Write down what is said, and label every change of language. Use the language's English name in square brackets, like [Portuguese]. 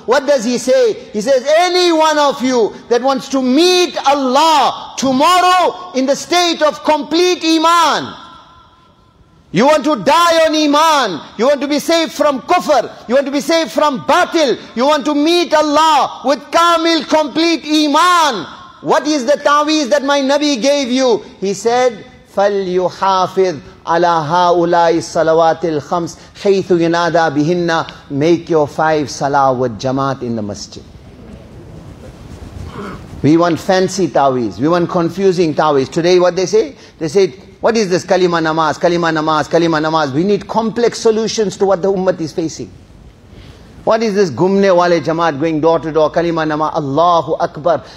[English] What does he say? He says, any one of you that wants to meet Allah tomorrow in the state of complete iman, you want to die on iman, you want to be saved from kufr, you want to be saved from batil, you want to meet Allah with kamil, complete iman, what is the taweez that my Nabi gave you? He said, [Arabic] فَلْيُحَافِذْ عَلَىٰ هَاُولَىٰي صَلَوَاتِ الْخَمْسِ حَيْثُ يُنَادَىٰ بِهِنَّ. [English] Make your five salah with jamaat in the masjid. We want fancy taweez, we want confusing taweez. Today what they say? They say, what is this kalima namaz, kalima namaz, kalima namaz? We need complex solutions to what the ummah is facing. What is this [Urdu] gumne wale [English] jamaat going door to door, kalima namaz, Allahu Akbar.